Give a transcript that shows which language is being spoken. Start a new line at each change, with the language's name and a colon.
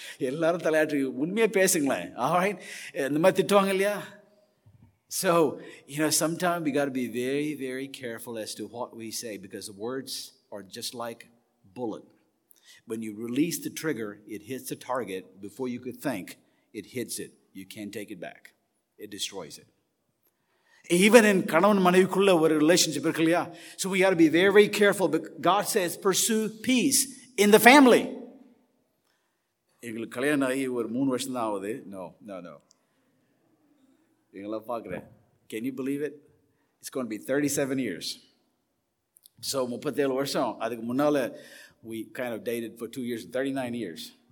Tamil: எல்லாரும் தலையாட்டு, உண்மையாக பேசுங்களேன். ஆஹாய், இந்த மாதிரி திட்டுவாங்க இல்லையா?
English: So you know, sometime we got be very very careful as to what we say, because words are just like bullet. When you release the trigger, it hits the target before you could think. It hits it. You can't take it back. It destroys it. Even in
Tamil: kanavan manavikulla
English: or a relationship, so we got to be very careful. But God says, pursue peace in the family.
Tamil: எங்களுக்கு கல்யாணம் ஆகி ஒரு 3 வருஷம் தான் ஆகுது.
English: no no no
Tamil: எங்களை பார்க்குறேன்.
English: Can you believe it? It's gonna be 37 years. So 37 வருஷம்.
Tamil: அதுக்கு முன்னால்
English: We kind of dated for 2 years, 39 years.